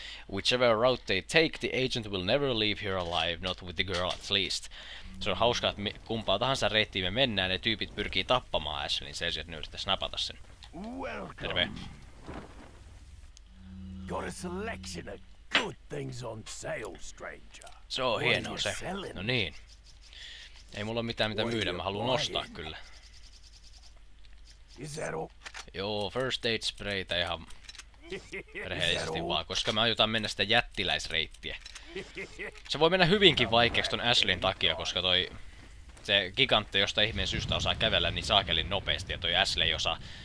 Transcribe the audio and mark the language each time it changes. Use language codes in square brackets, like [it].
[en] Whichever route they take, the agent will never leave here alive, not with the girl at least. [fi] Se on hauska, että kumpaa tahansa reittiin me mennään, ne tyypit pyrkii tappamaan Ashleyin, se sieltä yrittäis napata sen. [en] Welcome. [fi] Terve. [en] Got a selection of good things on sale, stranger. [fi] Se on hienoa se. No niin. Ei mulla mitään mitä myydä, mä haluan nostaa kyllä. [en] Is that all? [fi] Joo, first aid sprayta ihan rehellisesti vaan, koska me aiotaan mennä sitä jättiläisreittiä. Se voi mennä hyvinkin vaikeaks ton Ashleyn takia, koska toi... Se gigantti, josta ihmeen syystä osaa kävellä, niin saakelin nopeasti, ja toi Ashley osaa...